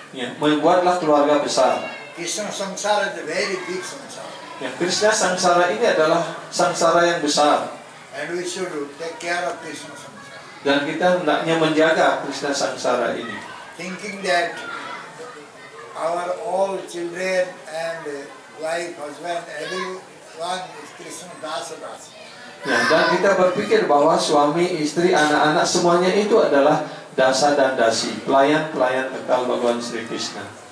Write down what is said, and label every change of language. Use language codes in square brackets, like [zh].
[id] Ya, membuatlah keluarga besar. [en] Krishna samsara is a very big samsara. [id] Ya, Krishna samsara ini adalah samsara yang besar. [en] And we should take care of Krishna samsara. [id] Dan kita hendaknya menjaga Krishna samsara ini. [en] Thinking that our all children and wife, husband, everyone is Krishna dasa dasa. [id] Ya, dan kita berpikir bahwa suami, istri, anak-anak semuanya itu adalah dasa dan dasi, pelayan-pelayan kekal Bhagawan Sri Krishna.